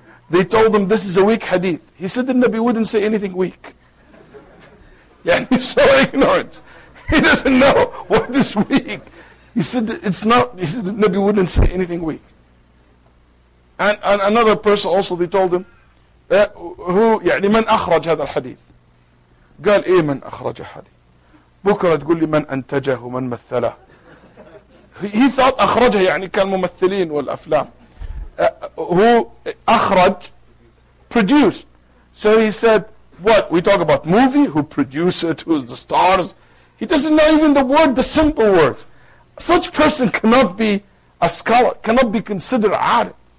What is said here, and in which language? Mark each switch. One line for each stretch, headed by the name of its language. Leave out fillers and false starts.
English: They told him, this is a weak hadith. He said, the nabi wouldn't say anything weak. Yeah, he's so ignorant. He doesn't know what is weak. He said, it's not, he said, the nabi wouldn't say anything weak. And another person also, they told him,
Arabic: من أخرج هذا الحديث؟ قال إيه من أخرج هذه؟ بكرة تقول لي من أنتجه ومن مثله؟
English: He thought
Arabic: أخرجه يعني كان ممثلين والأفلام.
English: Who أخرج produced. So he said, what? We talk about movie? Who produced it? Who's the stars? He doesn't know even the word, the simple word. Such person cannot be a scholar, cannot be considered عالم.